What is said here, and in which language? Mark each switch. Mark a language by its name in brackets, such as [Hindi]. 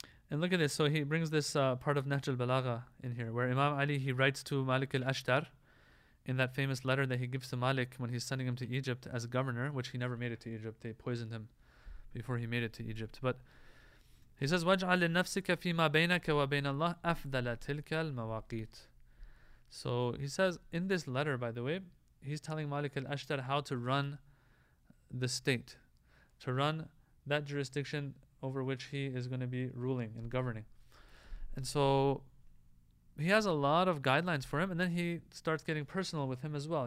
[English] And look at this, so he brings this part of Nahj al-Balagha in here, where Imam Ali, he writes to Malik al-Ashtar in that famous letter that he gives to Malik when he's sending him to Egypt as a governor, which he never made it to Egypt. They poisoned him before he made it to Egypt. [Arabic] But he says, وَاجْعَلْ لِنَّفْسِكَ فِي مَا بَيْنَكَ وَبَيْنَ اللَّهِ أَفْضَلَ تِلْكَ الْمَوَاقِيتِ. [English] So he says, in this letter, by the way, he's telling Malik al-Ashtar how to run the state, to run that jurisdiction over which he is going to be ruling and governing. And so he has a lot of guidelines for him, and then he starts getting personal with him as well.